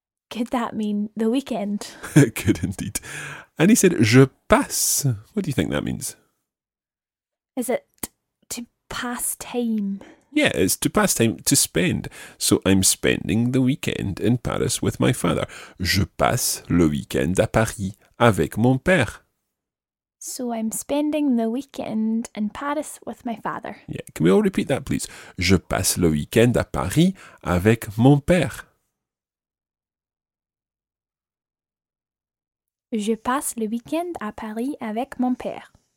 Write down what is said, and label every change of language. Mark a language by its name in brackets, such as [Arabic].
[English] Could that mean the weekend? Could indeed. And he said, [French] je passe. [English] What do you think that means? Is it to pass time? Yeah, it's to pass time, to spend. So I'm spending the weekend in Paris with my father. [French] Je passe le week-end à Paris avec mon père. [English] So I'm spending the weekend in Paris with my father. Yeah, can we all repeat that, please? [French] Je passe le week-end à Paris avec mon père. Je passe le week-end à Paris avec mon père.